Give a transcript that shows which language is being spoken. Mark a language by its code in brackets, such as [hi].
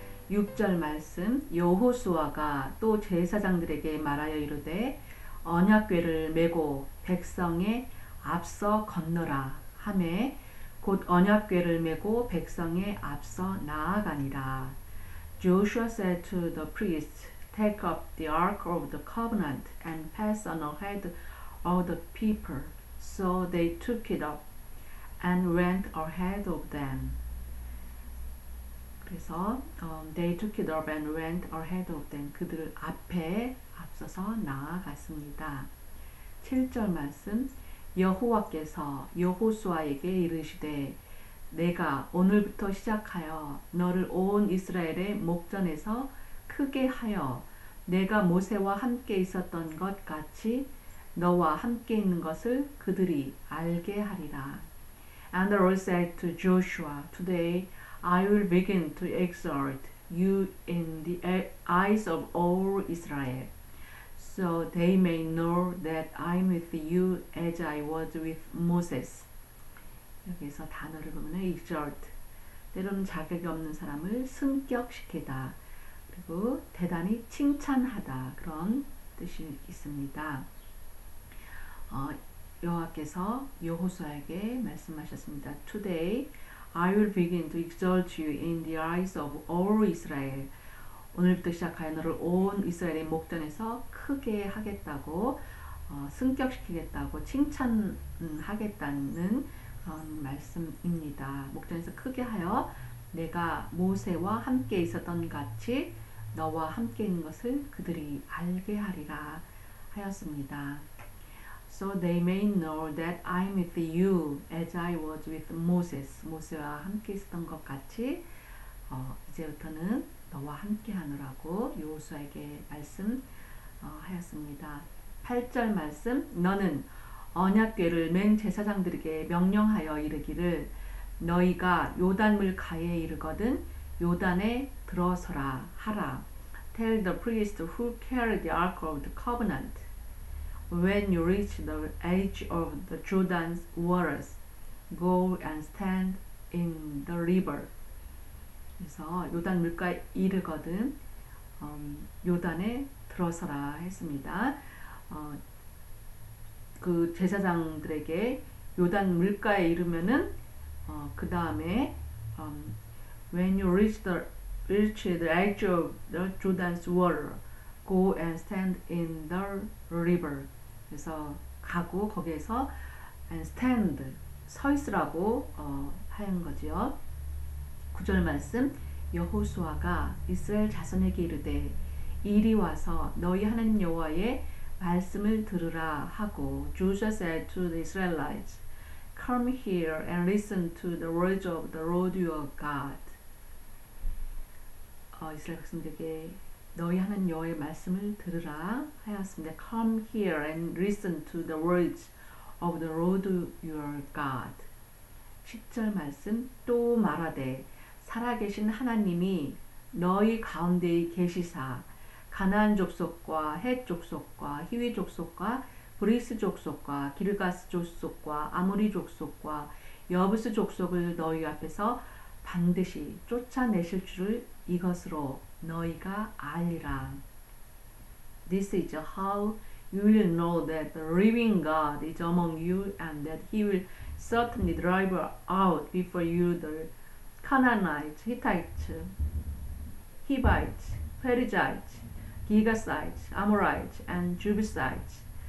[ko] 6절 말씀, 여호수아가 또 제사장들에게 말하여 이르되 언약궤를 메고 백성의 앞서 건너라 하매 곧 언약궤를 메고 백성의 앞서 나아가니라. [en] Joshua said to the priest, Take up the ark of the covenant and pass on ahead of the people. So they took it up and went ahead of them. [ko] 그래서 [en] they took it up and went ahead of them. [ko] 그들을 앞에 앞서서 나아갔습니다. 7절 말씀, 여호와께서 여호수아에게 이르시되 내가 오늘부터 시작하여 너를 온 이스라엘의 목전에서 크게 하여 내가 모세와 함께 있었던 것 같이 너와 함께 있는 것을 그들이 알게 하리라. [en] And the Lord said to Joshua, Today I will begin to exalt you in the eyes of all Israel, so they may know that I am with you as I was with Moses. [ko] 여기서 단어를 보면 exalt, 때로는 자격이 없는 사람을 승격시키다, 그리고 대단히 칭찬하다, 그런 뜻이 있습니다. 여호와께서 여호수아에게 말씀하셨습니다. [en] Today, I will begin to exalt you in the eyes of all Israel. [ko] 오늘부터 시작하여 너를 온 이스라엘의 목전에서 크게 하겠다고, 승격시키겠다고, 칭찬하겠다는 그런 말씀입니다. 목전에서 크게 하여 내가 모세와 함께 있었던 같이 너와 함께 있는 것을 그들이 알게 하리라 하였습니다. [en] So they may know that I'm with you as I was with Moses. [ko] 모세와 함께 있었던 것 같이 이제부터는 너와 함께 하느라고 여호수아에게 말씀하였습니다. 8절 말씀, 너는 언약궤를 맨 제사장들에게 명령하여 이르기를 너희가 요단물 가에 이르거든 요단에 들어서라 하라. [en] Tell the priest who carried the Ark of the Covenant. When you reach the edge of the Jordan's waters, go and stand in the river. [ko] 그래서 요단 물가에 이르거든 요단에 들어서라 했습니다. 그 제사장들에게 요단 물가에 이르면은 그 다음에 [en] when you reach the edge of the Jordan's water, go and stand in the river. [ko] 그래서 가고 거기에서 [en] and stand [ko] 서 있으라고 하는 거지요. 9절 말씀, 여호수아가 이스라엘 자손에게 이르되 이리 와서 너희 하나님 여호와의 말씀을 들으라 하고 [en] Joshua said to the Israelites, Come here and listen to the words of the Lord your God. [ko] 이스라엘 백성들에게 너희 하나님 여호와의 말씀을 들으라 하였습니다. [en] Come here and listen to the words of the Lord your God. [ko] 10절 말씀, 또 말하되 살아계신 하나님이 너희 가운데 계시사 가나안 족속과 헷 족속과 히위 족속과 브리스 족속과 기르가스 족속과 아모리 족속과 여부스 족속을 너희 앞에서 반드시 쫓아내실 줄을 이것으로 너희가 알리라. [en] This is how you will know that the living God is among you and that he will certainly drive out before you the Canaanites, Hittites, Hivites, Perizzites, Gigasites, Amorites, and Jebusites.